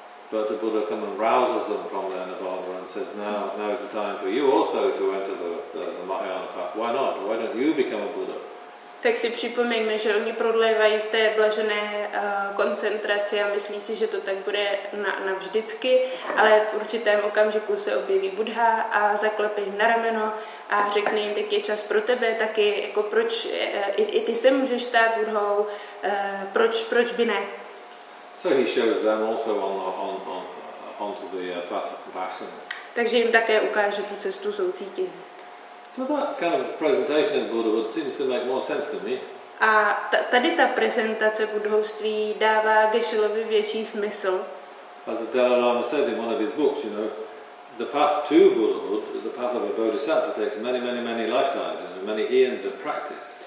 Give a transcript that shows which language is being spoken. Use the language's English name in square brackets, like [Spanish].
[English] But the Buddha comes and rouses them from their nirvana and says, now is the time for you also to enter the Mahayana path. Why not? Why don't you become a Buddha? [Czech] tak si připomeňme, že oni prodlévají v té blažené koncentraci a myslí si, že to tak bude navždycky, ale v určitém okamžiku se objeví Buddha a zaklepí na rameno a řekne jim, tak je čas pro tebe taky, jako proč i ty se můžeš stát Buddhou, proč by ne? [English] So he shows them also onto the path of compassion. [Czech] Takže jim také ukáže tu cestu soucítění. [English] So that kind of presentation of Buddhahood seems to make more sense to me. [Czech] A tady ta prezentace buddhovství dává Geshe-lovi větší smysl. [English] As the Dalai Lama says in one of his books, you know, the path to Buddhahood, the path of a bodhisattva, takes many, many, many lifetimes and many eons of practice.